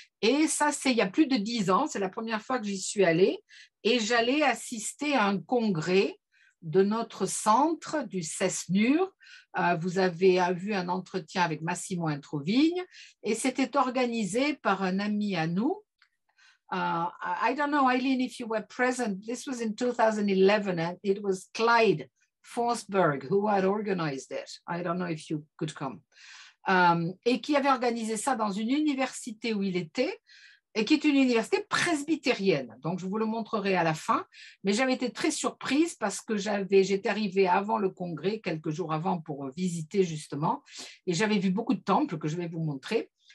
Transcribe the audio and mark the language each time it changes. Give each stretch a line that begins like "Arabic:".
French: Et ça, c'est il y a plus de 10 ans, c'est la première fois que j'y suis allée. Et j'allais assister à un congrès de notre centre, du CESNUR. Vous avez vu un entretien avec Massimo Introvigne et c'était organisé par un ami à nous.
English: I don't know, Eileen, if you were present. This was in 2011 and it was Clyde Forsberg who had organized it. I don't know if you could come.
French: Et qui avait organisé ça dans une université où il était et qui est une université presbytérienne. Donc, je vous le montrerai à la fin. Mais j'avais été très surprise parce que j'étais arrivée avant le congrès, quelques jours avant pour visiter justement, et j'avais vu beaucoup de temples que je vais vous montrer.